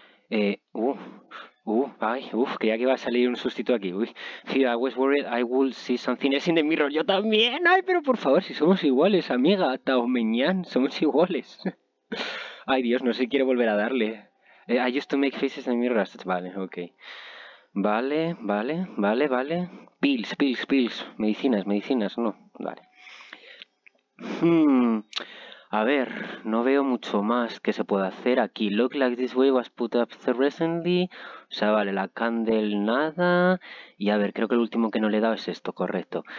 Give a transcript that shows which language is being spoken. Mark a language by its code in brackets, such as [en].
[es] Ay, creía que iba a salir un sustituto aquí. [en] Uy, I was worried I would see something else in the mirror. [es] Yo también. Ay, pero por favor, si somos iguales, amiga, Taomeñán, somos iguales. Ay, Dios, no sé si quiere volver a darle. [en] I used to make faces in mirrors. [es] Vale, ok. Vale. Pills. Medicinas, no. Vale. A ver, no veo mucho más que se pueda hacer aquí. [en] Look like this way was put up recently. [es] O sea, vale, la candle nada. Y a ver, creo que el último que no le he dado es esto, correcto.